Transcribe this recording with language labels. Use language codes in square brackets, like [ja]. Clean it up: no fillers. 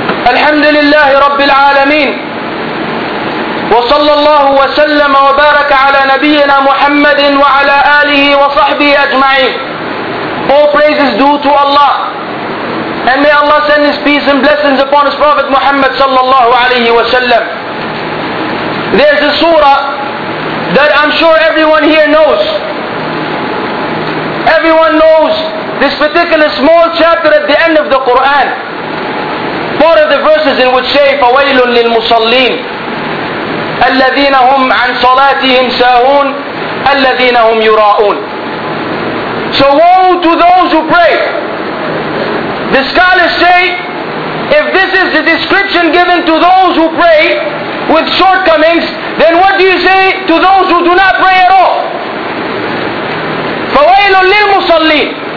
[ar] الحمد لله رب العالمين، وصلى الله وسلم وبارك على نبينا محمد وعلى آله وصحبه أجمعين. [en] All praises due to Allah, and may Allah send His peace and blessings upon His Prophet Muhammad صلى الله عليه وسلم. There's a surah that I'm sure everyone here knows. Everyone knows this particular small chapter at the end of the Quran. Four of the verses in which say, [ar] فَوَيْلٌ لِلْمُصَلِّينَ الَّذِينَ هُمْ عَنْ صَلَاتِهِمْ سَاهُونَ الَّذِينَ هُمْ يُرَاءُونَ. [en] So woe to those who pray. The scholars say, if this is the description given to those who pray with shortcomings, then what do you say to those who do not pray at all? [ar] فَوَيْلٌ لِلْمُصَلِّينَ.